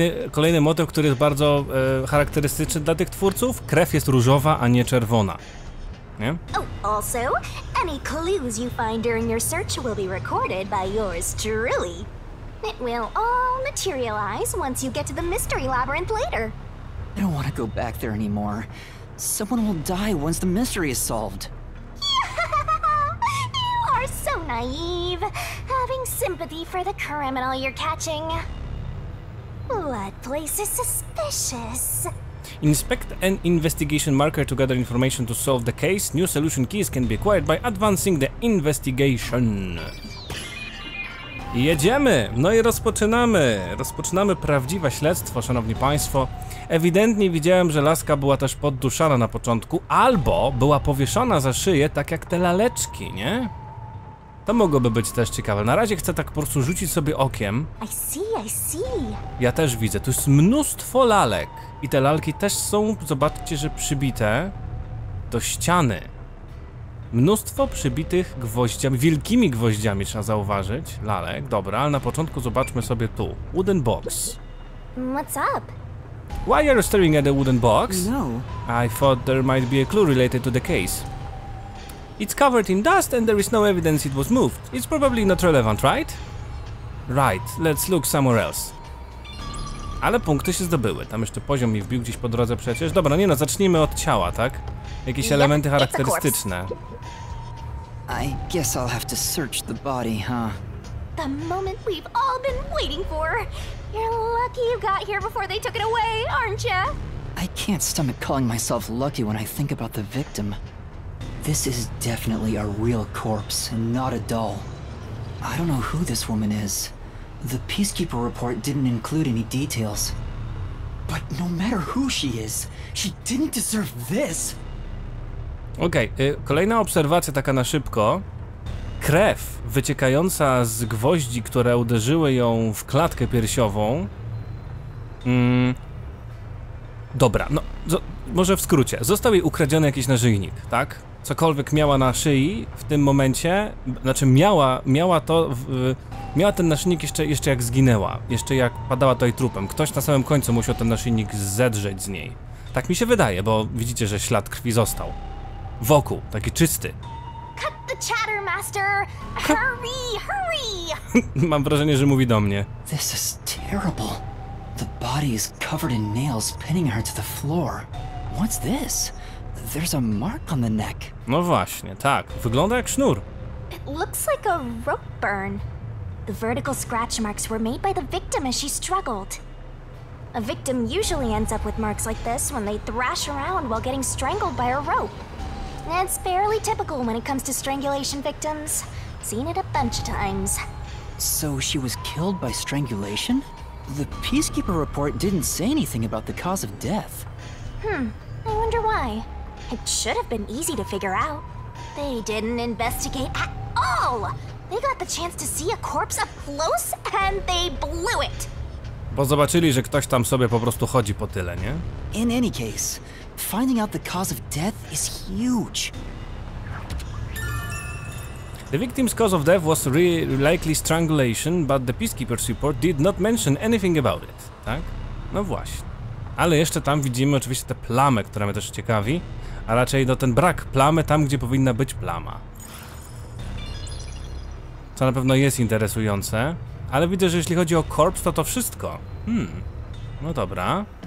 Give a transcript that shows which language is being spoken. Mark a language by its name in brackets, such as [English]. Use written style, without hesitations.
[Polish] Kolejny motyw, który jest bardzo charakterystyczny dla tych twórców. Krew jest różowa, a nie czerwona. Nie? [English] Oh, also, any clues you find during your search will be recorded by yours truly. It will all materialize once you get to the mystery labyrinth later. I don't want to go back there anymore. Someone will die once the mystery is solved. You are so naive. Having sympathy for the criminal you're catching. Blood place is suspicious. Inspect an investigation marker to gather information to solve the case. New solution keys can be acquired by advancing the investigation. [Polish] Jedziemy! No i rozpoczynamy! Rozpoczynamy prawdziwe śledztwo, szanowni państwo. Ewidentnie widziałem, że laska była też podduszana na początku, albo była powieszona za szyję, tak jak te laleczki, nie? To mogłoby być też ciekawe. Na razie chcę tak po prostu rzucić sobie okiem. [English] I see. [Polish] Ja też widzę. Tu jest mnóstwo lalek. I te lalki też są, zobaczcie, że przybite do ściany. Mnóstwo przybitych gwoździami, wielkimi gwoździami trzeba zauważyć. Lalek, dobra, ale na początku zobaczmy sobie tu. [English] Wooden box. What's up? Why are you staring at the wooden box? No. I thought there might be a clue related to the case. It's covered in dust and there is no evidence it was moved. It's probably not relevant, right? Right, let's look somewhere else. [Polish] Ale punkty się zdobyły. Tam jeszcze poziom mi wbił gdzieś po drodze przecież. Dobra, nie no, zacznijmy od ciała, tak? Jakieś elementy charakterystyczne. [English] I guess I'll have to search the body, huh? The moment we've all been waiting for. You're lucky you got here before they took it away, aren't ya? I can't stomach calling myself lucky when I think about the victim. This is definitely a real corpse, and not a doll. I don't know who this woman is. The peacekeeper report didn't include any details. But no matter who she is, she didn't deserve this! [Polish] Okej, kolejna obserwacja taka na szybko. Krew wyciekająca z gwoździ, które uderzyły ją w klatkę piersiową. Dobra, no, może w skrócie. Został jej ukradziony jakiś naszyjnik, tak? Cokolwiek miała na szyi w tym momencie, znaczy miała ten naszyjnik jeszcze jak zginęła, jeszcze jak padała tutaj trupem. Ktoś na samym końcu musiał ten naszyjnik zedrzeć z niej. Tak mi się wydaje, bo widzicie, że ślad krwi został. Wokół, taki czysty. [English] Cut the chatter, master! Hurry, hurry! [Polish] Mam wrażenie, że mówi do mnie. [English] This is terrible. The body is covered in nails pinning her to the floor. What's this? There's a mark on the neck. [Polish] No właśnie, tak. Wygląda jak sznur. [English] It looks like a rope burn. The vertical scratch marks were made by the victim as she struggled. A victim usually ends up with marks like this when they thrash around while getting strangled by a rope. It's fairly typical when it comes to strangulation victims. Seen it a bunch of times. So she was killed by strangulation? The Peacekeeper report didn't say anything about the cause of death. I wonder why. It should have been easy to figure out. They didn't investigate at all! They got the chance to see a corpse up close and they blew it! [Polish] Bo zobaczyli, że ktoś tam sobie po prostu chodzi po tyle, nie? [English] In any case, finding out the cause of death is huge. The victim's cause of death was likely strangulation, but the Peacekeeper's report did not mention anything about it, [Polish] tak? No właśnie. Ale jeszcze tam widzimy oczywiście tę plamę, która mnie też ciekawi, a raczej no ten brak plamy tam, gdzie powinna być plama. Co na pewno jest interesujące, ale widzę, że jeśli chodzi o korps, to to wszystko. No dobra.